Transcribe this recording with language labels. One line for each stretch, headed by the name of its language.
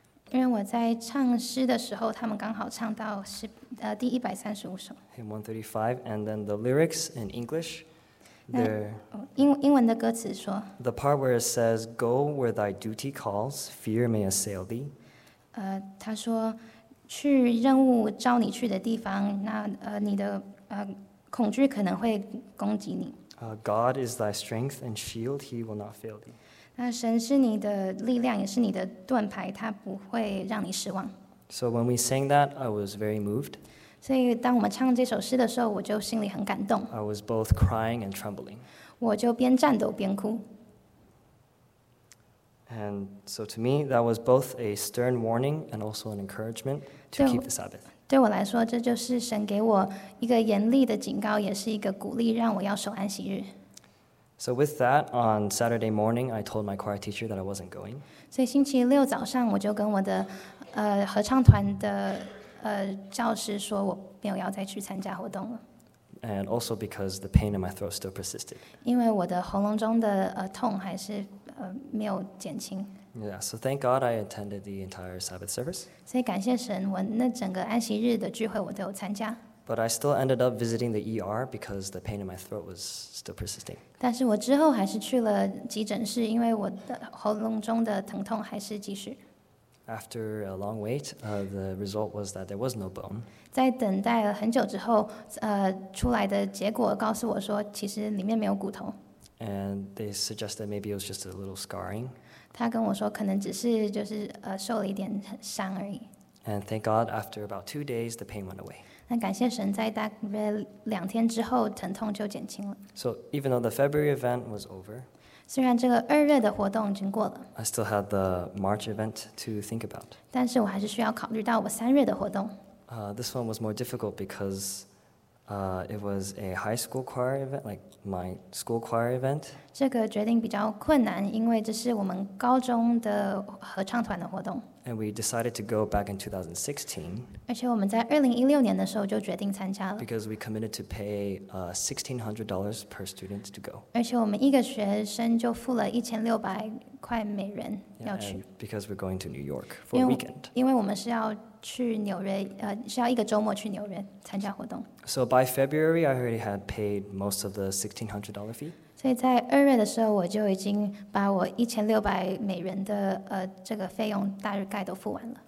Chinese: 因为我在唱诗的时候，他们刚好唱到第135首。
English: Hymn 135, and then the lyrics in English.
Chinese: 英文的歌词说。
English: The part where it says, "Go where thy duty calls, fear may assail thee."
Chinese: 他说，去任务召你去的地方，那你的恐惧可能会攻击你。
English: God is thy strength and shield; he will not fail thee.
Chinese: 那神是你的力量，也是你的盾牌，他不会让你失望。
English: So when we sang that, I was very moved.
Chinese: 所以当我们唱这首诗的时候，我就心里很感动。
English: I was both crying and trembling.
Chinese: 我就边颤抖边哭。
English: And so to me, that was both a stern warning and also an encouragement to keep the Sabbath.
Chinese: 对我来说，这就是神给我一个严厉的警告，也是一个鼓励，让我要守安息日。
English: So with that, on Saturday morning, I told my choir teacher that I wasn't going.
Chinese: 所以星期六早上我就跟我的合唱团的教师说我没有要再去参加活动了。
English: And also because the pain in my throat still persisted.
Chinese: 因为我的喉咙中的痛还是没有减轻。
English: Yeah, so thank God I attended the entire Sabbath service.
Chinese: 所以感谢神，我那整个安息日的聚会我都有参加。
English: But I still ended up visiting the ER because the pain in my throat was still persisting.
Chinese: 但是我之后还是去了急诊室，因为我的喉咙中的疼痛还是继续。
English: After a long wait, the result was that there was no bone.
Chinese: 在等待了很久之后，出来的结果告诉我说，其实里面没有骨头。
English: And they suggested maybe it was just a little scarring.
Chinese: 他跟我说，可能只是就是受了一点伤而已。
English: And thank God, after about 2 days, the pain went away.
Chinese: 那感谢神，在大约两天之后，疼痛就减轻了。
English: So even though the February event was over,
Chinese: 虽然这个二月的活动已经过了
English: ，I still had the March event to think about.
Chinese: 但是我还是需要考虑到我三月的活动。
English: This one was more difficult because, it was a high school choir event, like my school choir event.
Chinese: 这个决定比较困难，因为这是我们高中的合唱团的活动。
English: And we decided to go back in 2016.
Chinese: 而且我们在2016年的时候就决定参加了。
English: Because we committed to pay $1,600 per student to go.
Chinese: 而且我们一个学生就付了1600块美元要去。
English: Yeah, because we're going to New York for a weekend.
Chinese: 因为我们是要去纽约，是要一个周末去纽约参加活动。
English: So by February, I already had paid most of the $1,600 fee.
Chinese: 所以在二月的时候，我就已经把我1600美元的这个费用大概都付完了。